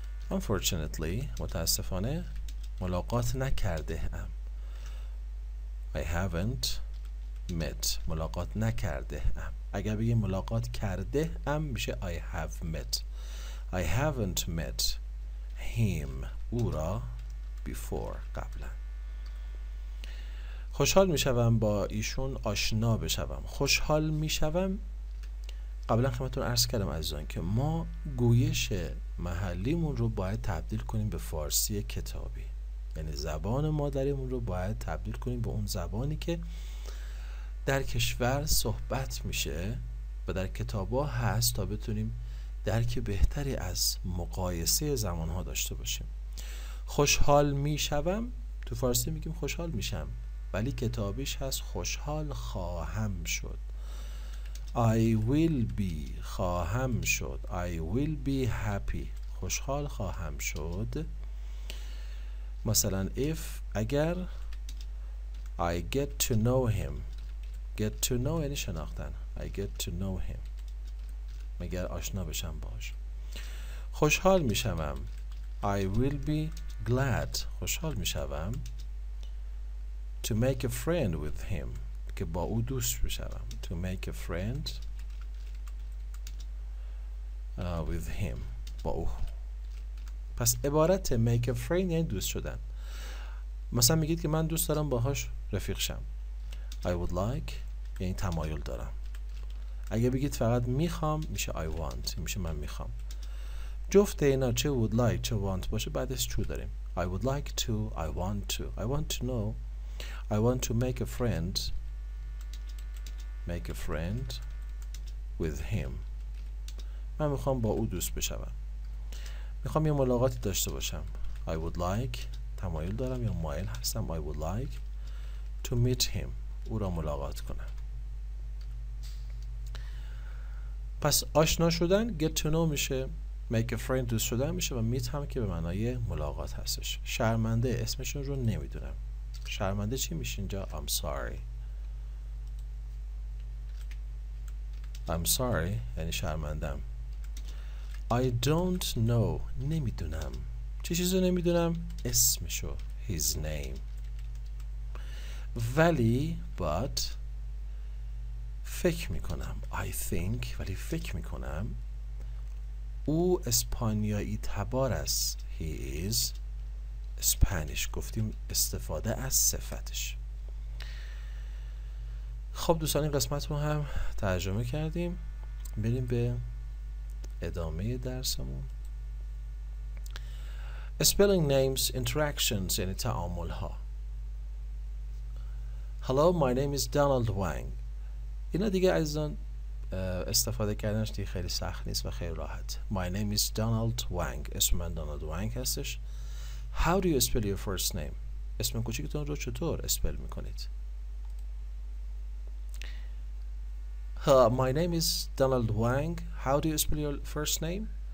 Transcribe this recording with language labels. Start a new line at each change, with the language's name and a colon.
Persian: unfortunately متاسفانه ملاقات نکرده هم.
English: I haven't met،
Persian: ملاقات نکرده هم. اگر بگیم ملاقات کرده هم میشه
English: I have met. I haven't met him،
Persian: او را
English: before،
Persian: قبلا. خوشحال میشوم با ایشون آشنا بشوم. خوشحال میشوم، قبلا خدمتتون عرض کردم عزیزان که ما گویش محلیمون رو باید تبدیل کنیم به فارسی کتابی، یعنی زبان مادریمون رو باید تبدیل کنیم به اون زبانی که در کشور صحبت میشه و در کتابا هست، تا بتونیم درک بهتری از مقایسه زمانها داشته باشیم. خوشحال میشوم، تو فارسی میگیم خوشحال میشم، ولی کتابیش هست خوشحال خواهم شد.
English: I will be،
Persian: خواهم شد.
English: I will be happy،
Persian: خوشحال خواهم شد.
English: مثلا if،
Persian: اگر
English: I get to know him، get to know
Persian: یعنی شناختن،
English: I get to know him،
Persian: مگر آشنا بشم باش، خوشحال میشوم.
English: I will be glad،
Persian: خوشحال میشوم.
English: To make a friend with him،
Persian: که با او دوست بشوم.
English: To make a friend with him،
Persian: با او. پس عبارت make a friend یعنی دوست شدن. مثلا میگید که من دوست دارم باهاش رفیق شم. I would like یعنی تمایل دارم. اگه بگید فقط میخوام میشه I want، میشه من میخوام. جفت اینا چه would like چه want باشه، بعدش چو داریم.
English: I would like to، I want to، I want to know، I want to make a friend، make a friend with him،
Persian: من میخوام با او دوست بشم، میخوام یه ملاقاتی داشته باشم.
English: I would like،
Persian: تمایل دارم یا مایل هستم.
English: I would like to meet him،
Persian: او را ملاقات کنم. پس آشنا شدن get to know میشه، make a friend دوست شدن میشه، و meet هم که به معنای ملاقات هستش. شرمنده، اسمشون رو نمیدونم. شرمنده چی میشه اینجا؟
English: I'm sorry. I'm sorry
Persian: یعنی شرمندم.
English: I don't know،
Persian: نمیدونم. چه چیزو نمیدونم؟ اسمشو،
English: his name.
Persian: ولی but فکر میکنم،
English: I think،
Persian: ولی فکر میکنم او اسپانیایی تبار است.
English: He is Spanish،
Persian: گفتیم استفاده از صفتش. خب دوستان، این قسمت رو هم ترجمه کردیم، بریم به ادامه درسمون.
English: Spelling names، interactions
Persian: یعنی تعامل ها.
English: Hello، my name is Donald Wang.
Persian: اینا دیگه عزیزان استفاده کردنش دیگه خیلی سخت نیست و خیلی راحت.
English: My name is Donald Wang،
Persian: اسم من Donald Wang هستش.
English: How do you spell your first name؟
Persian: اسم کوچیکتون رو چطور اسپل میکنید؟
English: My name is Donald Wang. How do you spell your first name?